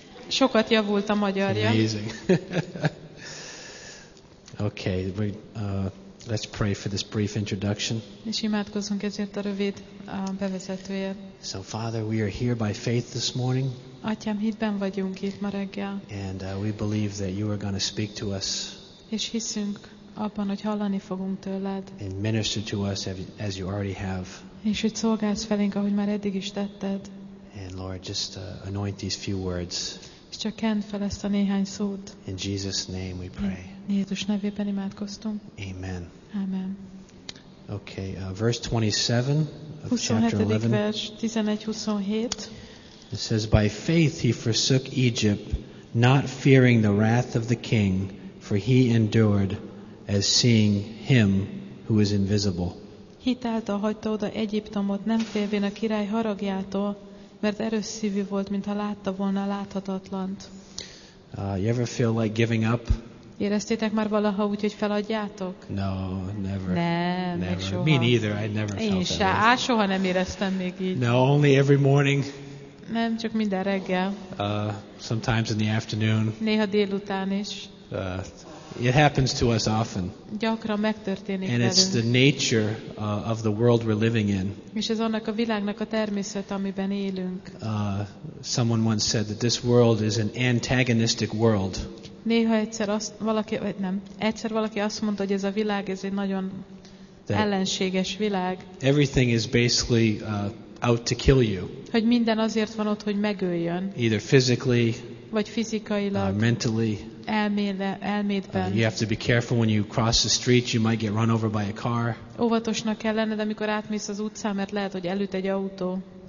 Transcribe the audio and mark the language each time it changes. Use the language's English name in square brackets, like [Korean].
[Hungarian] Sokat javult a magyarja. [English] Amazing. Okay, let's pray for this brief introduction. [Hungarian] És imádkozzunk ezért a rövid bevezetőért. [English] So, Father, we are here by faith this morning. [Hungarian] Atyám, hitben vagyunk itt ma reggel. [English] And we believe that you are going to speak to us. [Hungarian] És hiszünk abban, hogy hallani fogunk tőled. [English] And minister to us as you already have. [Hungarian] És hogy szolgálsz felénk, ahogy már eddig is tetted. [English] And Lord, just anoint these few words. [Hungarian] És csak kend fel ezt a néhány szót. [English] In Jesus' name we pray. [Hungarian] Jézus nevében imádkoztunk. [English] Amen. [Hungarian] Amen. [English] Okay, verse 27 of chapter 11. 11:27. It says, by faith he forsook Egypt, not fearing the wrath of the king, for he endured as seeing him who is invisible. [Hungarian] Hitáltal hagyta oda Egyiptomot, nem félvén a király haragjától, mert erős szívű volt, mintha látta volna a láthatatlant. [English] You ever feel like giving up? [Hungarian] Éreztétek már valaha úgy, hogy feladjátok? [English] No, never. [Hungarian] Nem, meg soha. [English] Me neither, I never felt [Hungarian] én se, [English] that. [Hungarian] Én soha nem éreztem még így. [English] No, only every morning. [Hungarian] Nem, csak minden reggel. [English] Sometimes in the afternoon. [Hungarian] Néha délután is. [English] It happens to us often. [Hungarian] Gyakran megtörténik velünk. [English] And it's the nature of the world we're living in. [Hungarian] És ez annak a világnak a természet, amiben élünk. [English] Someone once said that this world is an antagonistic world. [Hungarian] Néha egyszer azt valaki, vagy nem, egyszer valaki azt mondta, hogy ez a világ ez egy nagyon ellenséges világ. [English] Everything is basically out to kill you. [Hungarian] Hogy minden azért van ott, hogy megöljön. [English] Either physically. [Hungarian] Vagy fizikailag. [English] Mentally. [Hungarian] Elmédben. [English] You have to be careful when you cross the street, you might get run over by a car. [Hungarian] Óvatosnak kell lenned, amikor átmész az utcán, mert lehet, hogy elüt egy autó.